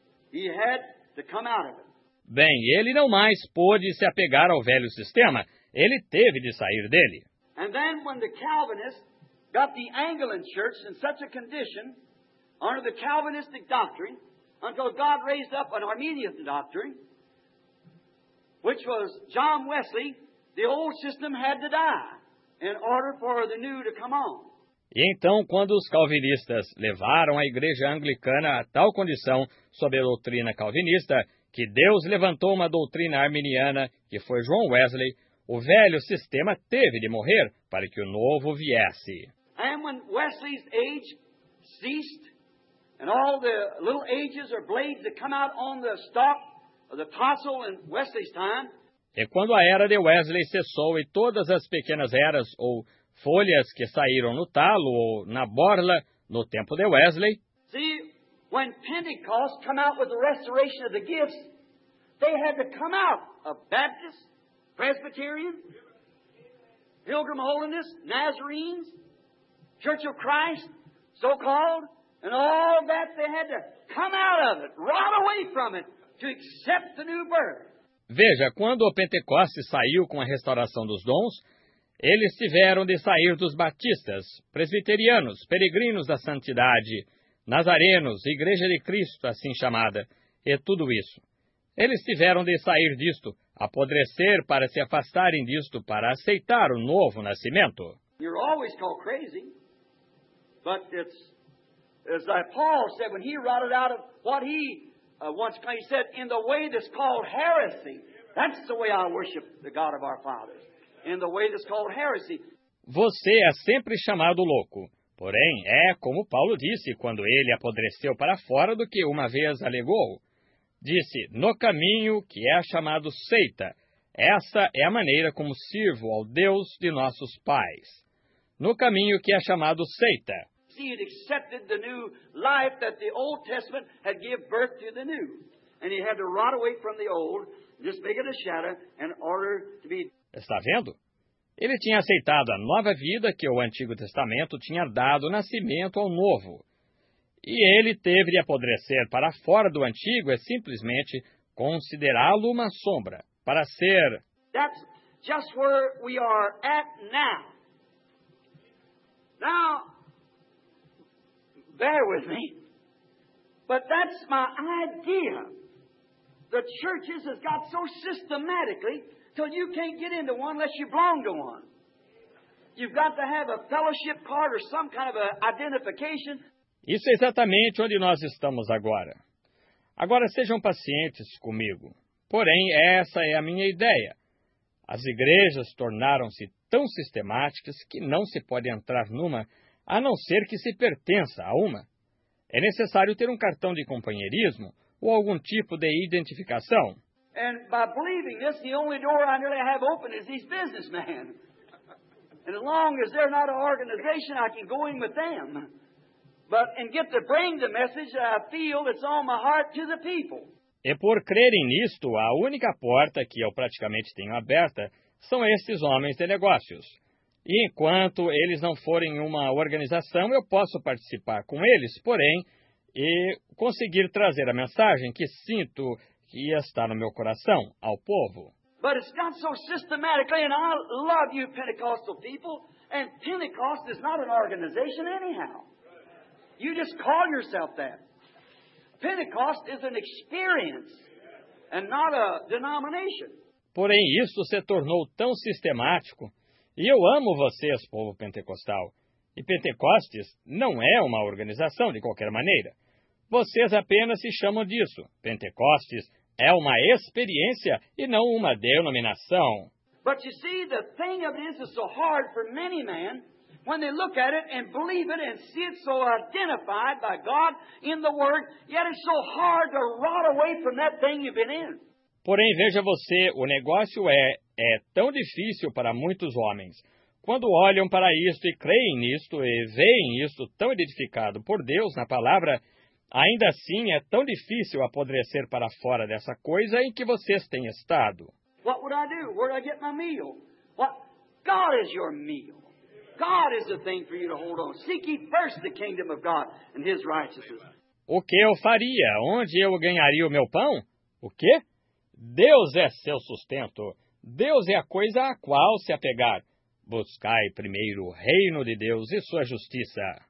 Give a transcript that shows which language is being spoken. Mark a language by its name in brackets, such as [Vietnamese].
[English] He had to come out of it. [Portuguese] Bem, ele não mais pôde se apegar ao velho sistema. Ele teve de sair dele. [English] And then when the Calvinists got the Anglican Church in such a condition under the Calvinistic doctrine, until God raised up an Arminian doctrine, which was John Wesley, The old system had to die in order for the new to come on. [Portuguese] E então, quando os calvinistas levaram a igreja anglicana a tal condição, sob a doutrina calvinista, que Deus levantou uma doutrina arminiana, que foi John Wesley, o velho sistema teve de morrer para que o novo viesse. [English] And when Wesley's age ceased, and all the little ages or blades that come out on the stalk of the tassel in Wesley's time, [Portuguese] e quando a era de Wesley cessou e todas as pequenas eras ou folhas que saíram no talo ou na borla no tempo de Wesley. [English] See, when Pentecost came out with the restoration of the gifts, they had to come out of Baptist, Presbyterian, Pilgrim Holiness, Nazarenes, Church of Christ, so called, and all that they had to come out of it, right away from it, to accept the new birth. [Portuguese] Veja, quando o Pentecoste saiu com a restauração dos dons, eles tiveram de sair dos batistas, presbiterianos, peregrinos da santidade, nazarenos, Igreja de Cristo, assim chamada, e tudo isso. Eles tiveram de sair disto, apodrecer para se afastarem disto, para aceitar o novo nascimento. [English] You're always called crazy, but it's as Paul said when he rotted out of what he once he said, in the way that's called heresy, that's the way I worship the God of our fathers. In the way that's called heresy. [Portuguese] Você é sempre chamado louco. Porém, é como Paulo disse quando ele apodreceu para fora do que uma vez alegou. Disse, no caminho que é chamado seita, essa é a maneira como sirvo ao Deus de nossos pais. No caminho que é chamado seita. [English] He had accepted the new life that the Old Testament had given birth to the new. And he had to rot away from the old, just make it a shadow, in order to be... [Portuguese] Está vendo? Ele tinha aceitado a nova vida que o Antigo Testamento tinha dado nascimento ao novo. E ele teve de apodrecer para fora do antigo e simplesmente considerá-lo uma sombra, para ser... [English] That's just where we are at now. Now, bear with me, but that's my idea. The churches has got so systematically... So you can't get into one unless you belong to one. You've got to have a fellowship card or some kind of a identification. [Portuguese] Isso é exatamente onde nós estamos agora. Agora sejam pacientes comigo. Porém, essa é a minha ideia. As igrejas tornaram-se tão sistemáticas que não se pode entrar numa a não ser que se pertença a uma. É necessário ter um cartão de companheirismo ou algum tipo de identificação. [English] And by believing this, the only door I really have open is these businessmen. And as long as they're not an organization, I can go in with them. But and get to bring the message that I feel that's on my heart to the people. [Portuguese] E por crerem nisto, a única porta que eu praticamente tenho aberta são esses homens de negócios. E enquanto eles não forem uma organização, eu posso participar com eles, porém, e conseguir trazer a mensagem que sinto... que está no meu coração, ao povo. [English] But it's not so systematically, and I love you Pentecostal people, and Pentecost is not an organization anyhow. You just call yourself that. Pentecost is an experience, and not a denomination. [Portuguese] Porém, isso se tornou tão sistemático, e eu amo vocês, povo pentecostal, e Pentecostes não é uma organização de qualquer maneira. Vocês apenas se chamam disso. Pentecostes é uma experiência e não uma denominação. [English] But you see, the thing of this is so hard for many men when they look at it and believe it and see it so identified by God in the Word, yet it's so hard to rot away from that thing you've been in. [Portuguese] Porém, veja você, o negócio é tão difícil para muitos homens. Quando olham para isto e creem nisto e veem isto tão identificado por Deus na palavra, ainda assim, é tão difícil apodrecer para fora dessa coisa em que vocês têm estado. [English] What would I do? Where would I get my meal? What? God is your meal. God is the thing for you to hold on. Seek ye first the kingdom of God and his righteousness. [Portuguese] O que eu faria? Onde eu ganharia o meu pão? O quê? Deus é seu sustento. Deus é a coisa a qual se apegar. Buscai primeiro o reino de Deus e sua justiça.